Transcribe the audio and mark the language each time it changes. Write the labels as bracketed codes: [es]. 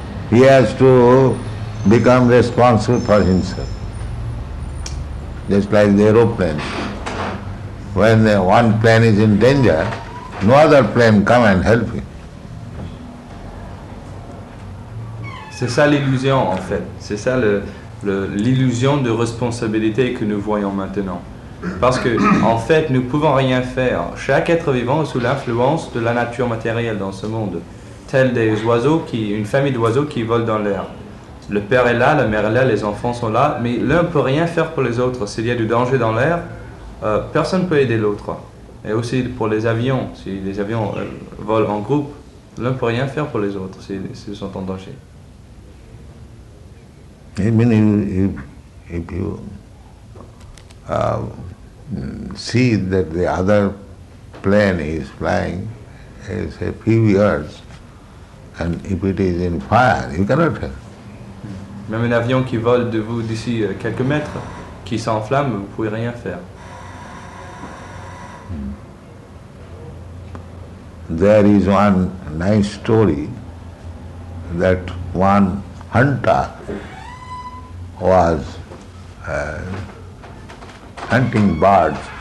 [en] He has to become responsible for himself. Just like the aeroplane. When one plane is in danger, no other plane come and help him. [fr] C'est ça l'illusion en fait. C'est ça l'illusion de responsabilité que nous voyons maintenant. Parce que en fait, nous ne pouvons rien faire. Chaque être vivant est sous l'influence de la nature matérielle dans ce monde. Tels des oiseaux, une famille d'oiseaux qui volent dans l'air. Le père est là, la mère est là, les enfants sont là, mais l'un ne peut rien faire pour les autres. S'il y a du danger dans l'air, personne ne peut aider l'autre. Et aussi pour les avions, si les avions volent en groupe, l'un ne peut rien faire pour les autres s'ils sont en danger. [en] Even if you see that the other plane is flying, it's a few years. And if it is in fire, you cannot help. [fr] Même un avion qui vole de vous d'ici quelques mètres, qui s'enflamme, vous ne pouvez rien faire. [en] There is one nice story that one hunter was hunting birds.